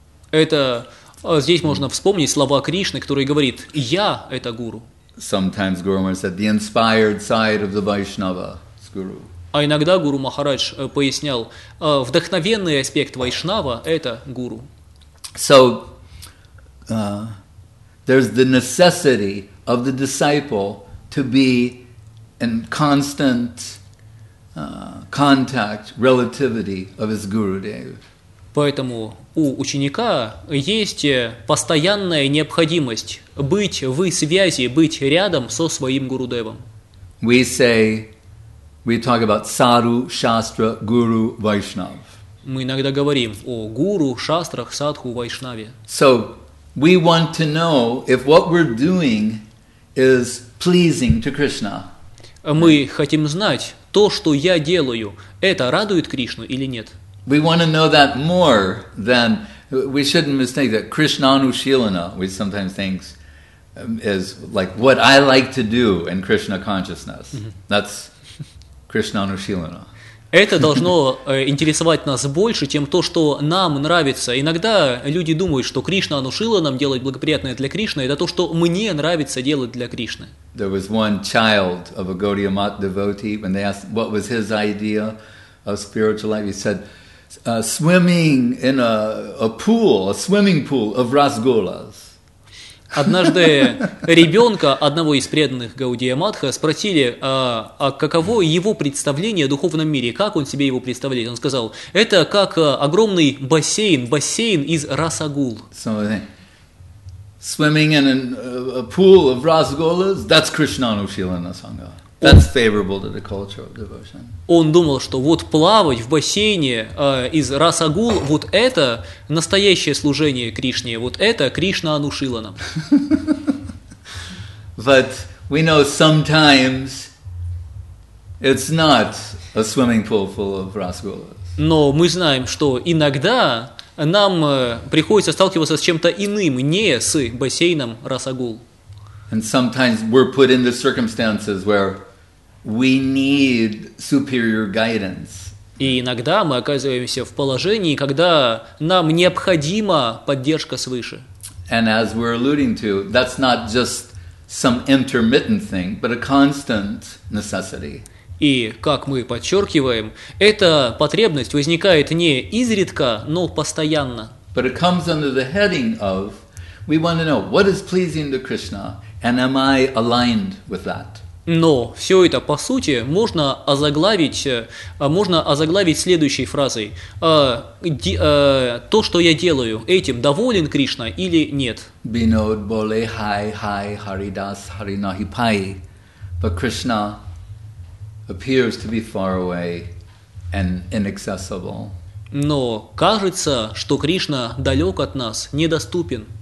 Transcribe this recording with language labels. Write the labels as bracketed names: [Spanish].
[Russian] Это здесь можно вспомнить слова Кришны, который говорит, я это гуру. [English] Sometimes Guru Maharaj said, the inspired side of the Vaishnava is guru. [Russian] А иногда Гуру Махарадж пояснял, вдохновенный аспект Вайшнава – это гуру. [English] So, there's the necessity of the disciple to be in constant contact, relativity of his Gurudev. [Russian] Поэтому у ученика есть постоянная необходимость быть в связи, быть рядом со своим Гурудевом. [English] We say, we talk about sadhu, shastra, guru, vaishnav. [Russian] Мы иногда говорим о гуру, шастрах, садху, вайшнаве. [English] So, we want to know if what we're doing is pleasing to Krishna. [Russian] Мы хотим знать, то, что я делаю, это радует Кришну или нет? [English] We want to know that more than, we shouldn't mistake that Krishnanushilana, we sometimes think, is like what I like to do in Krishna consciousness. Mm-hmm. That's Krishnanushilana. [Russian] Это должно интересовать нас больше, чем то, что нам нравится. Иногда люди думают, что Кришна внушила нам делать благоприятное для Кришны, это то, что мне нравится делать для Кришны. [English] There was one child of a Gaudiya Mutt devotee, when they asked what was his idea of spiritual life, he said, swimming in a swimming pool of rasgolas. [Russian] Однажды ребенка одного из преданных Гаудия Мадха спросили, а каково его представление о духовном мире, как он себе его представляет. Он сказал, это как огромный бассейн, бассейн из расагул. [English] Swimming in a pool of rasgolas, that's Krishna Anushilana Sangha. That's favorable to the culture of devotion. [Russian] Он думал, что вот плавать в бассейне из расагул, вот это настоящее служение Кришне, вот это Кришна Анушилана. [English] But we know sometimes it's not a swimming pool full of rasgolas. [Russian] Но мы знаем, что иногда нам приходится сталкиваться с чем-то иным, не с бассейном расагул. [English] And sometimes we're put in the circumstances where we need superior guidance. [Russian] И иногда мы оказываемся в положении, когда нам необходима поддержка свыше. [English] And as we're alluding to, that's not just some intermittent thing, but a constant necessity. [Russian] И, как мы подчеркиваем, эта потребность возникает не изредка, но постоянно. [English] But it comes under the heading of, we want to know, what is pleasing to Krishna, and am I aligned with that? [Russian] Но все это, по сути, можно озаглавить следующей фразой. То, что я делаю, этим доволен Кришна или нет? [Bangla] Бинод боле хай хай харидас харинахи пай. [English] But Krishna appears to be far away and inaccessible. [Russian] Но кажется, что Кришна далек от нас, недоступен.